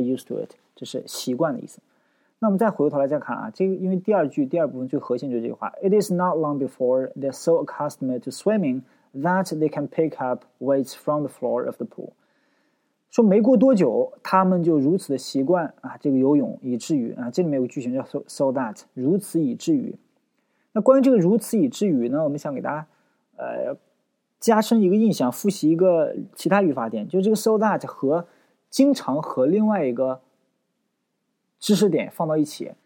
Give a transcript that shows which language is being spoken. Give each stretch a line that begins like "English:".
English: used to it，
Chinese: 这是习惯的意思。那我们再回过头来再看啊，这个因为第二部分最核心就是这句话 ，
English: It is not long before they're so accustomed to swimming。 That they can pick up weights from the floor of the pool.
Chinese: 说没过多久，他们就如此的习惯啊，这个游泳，以至于啊，这里面有个句型叫 so that， 如此以至于。那关于这个如此以至于呢，我们想给大家加深一个印象，复习一个其他语法点，就这个 so that 和经常和另外一个知识点放到一起。